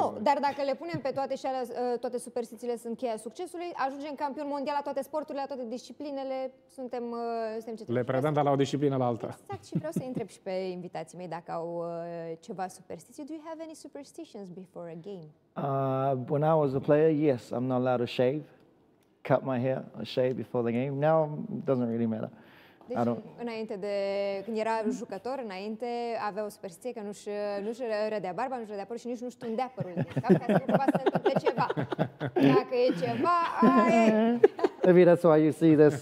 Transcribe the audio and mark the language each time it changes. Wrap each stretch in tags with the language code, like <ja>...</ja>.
<ro>Nu, dar dacă le punem pe toate și alea, toate superstițiile sunt cheia succesului, ajungem campion mondial la toate sporturile, la toate disciplinele, suntem le predăm, dar la o disciplină, la alta. Exact, și vreau să întreb și pe invitații mei dacă au ceva superstiții.</ro> <en>Do you have any superstitions before a game? When I was a player, yes, I'm not allowed to shave, cut my hair or shave before the game. Now, it doesn't really matter.</en> <ro>Deci, înainte de când era jucător, înainte avea o superstiție că nu-și rădea barba, nu-și rădea părul și nici nu-și tundea părul din cap, ca să nu cumva să întâmple ceva. Dacă e ceva, aia e.</ro> <en>Maybe that's why you see</en>